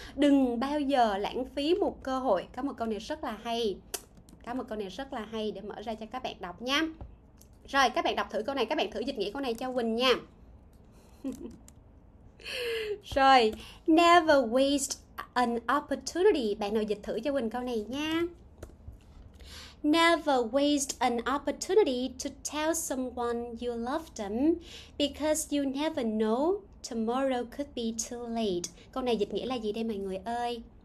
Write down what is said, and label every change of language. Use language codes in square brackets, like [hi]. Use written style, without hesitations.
[vi] Đừng bao giờ lãng phí một cơ hội. Có một câu này rất là hay. Có một câu này rất là hay để mở ra cho các bạn đọc nha. Rồi, các bạn đọc thử câu này, các bạn thử dịch nghĩa câu này cho Quỳnh nha. Rồi, [en] never waste an opportunity. [vi] Bạn nào dịch thử cho Quỳnh câu này nha. [en] Never waste an opportunity to tell someone you love them because you never know tomorrow could be too late. [vi] Câu này dịch nghĩa là gì đây mọi người ơi?